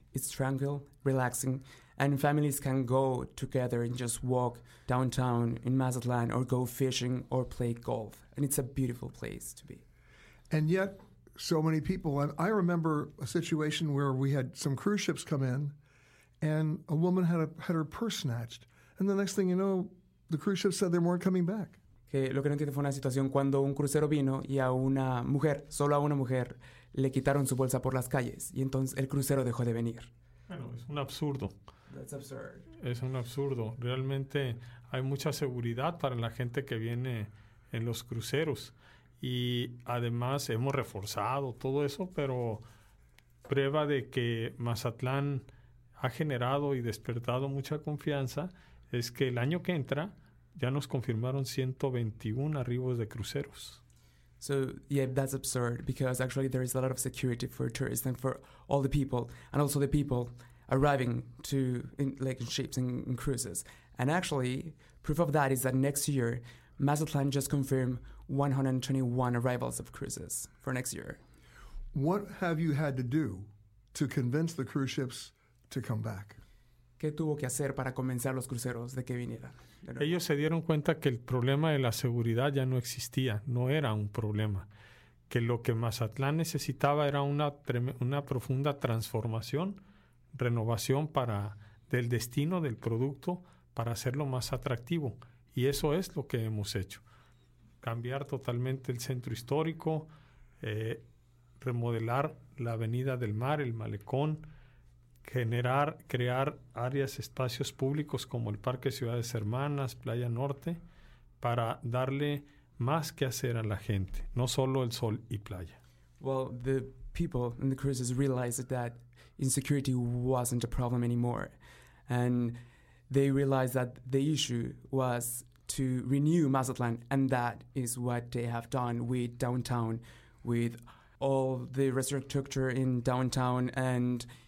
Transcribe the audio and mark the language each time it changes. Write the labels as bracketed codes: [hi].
[en] It's tranquil, relaxing, and families can go together and just walk downtown in Mazatlan or go fishing or play golf. And it's a beautiful place to be. And yet, so many people, and I remember a situation where we had some cruise ships come in and a woman had her purse snatched. And the next thing you know, the cruise ship said they weren't coming back. [es] Que lo que no entiendo fue una situación cuando un crucero vino y a una mujer, solo a una mujer, le quitaron su bolsa por las calles y entonces el crucero dejó de venir. Bueno, es un absurdo. [en] That's absurd. [es] Es un absurdo. Realmente hay mucha seguridad para la gente que viene en los cruceros. Y además hemos reforzado todo eso, pero prueba de que Mazatlan ha generado y despertado mucha confianza es que el año que entra ya nos confirmaron 121 arribos de cruceros. [en] So, yeah, that's absurd because actually there is a lot of security for tourists and for all the people and also the people arriving to in ships and in cruises. And actually, proof of that is that next year, Mazatlan just confirmed 121 arrivals of cruises for next year. What have you had to do to convince the cruise ships to come back? [es] ¿Qué tuvo que hacer para convencer a los cruceros de que vinieran? Ellos se dieron cuenta que el problema de la seguridad ya no existía, no era un problema. Que lo que Mazatlan necesitaba era una profunda transformación, renovación para del destino, del producto, para hacerlo más atractivo. Y eso es lo que hemos hecho. Cambiar totalmente el centro histórico, remodelar la Avenida del Mar, el Malecón, crear áreas, espacios públicos como el Parque Ciudades Hermanas, Playa Norte, para darle más que hacer a la gente, no solo el sol y playa. [en] Well, the people in the cruises realized that insecurity wasn't a problem anymore. And they realized that the issue was to renew Mazatlan, and that is what they have done with downtown, with all the infrastructure in downtown and